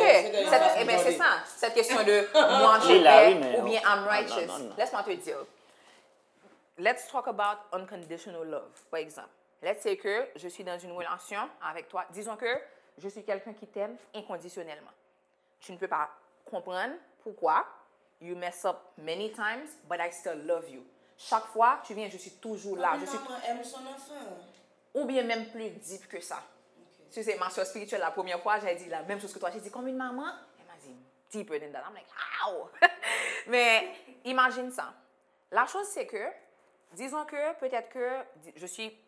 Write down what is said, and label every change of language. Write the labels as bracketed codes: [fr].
[fr] Eh bien, c'est ça. Cette question de... Moi, je vais. Ou bien, [en] I'm righteous. [fr] Laisse-moi te dire. [en] Let's talk about unconditional love, for example. Let's say [fr] que je suis dans une relation avec toi. Disons que je suis quelqu'un qui t'aime inconditionnellement. Tu ne peux pas comprendre pourquoi. [en] You mess up many times, but I still love you. [fr] Chaque fois, tu viens, je suis toujours là. Je suis maman aime son enfant. Ou bien même plus deep que ça. Okay. Tu sais, ma soeur spirituelle, la première fois, j'ai dit la même chose que toi. J'ai dit, comme une maman, elle m'a dit, [en] deeper than that. I'm like, how? [fr] Mais imagine ça. La chose, c'est que, disons que peut-être que je suis...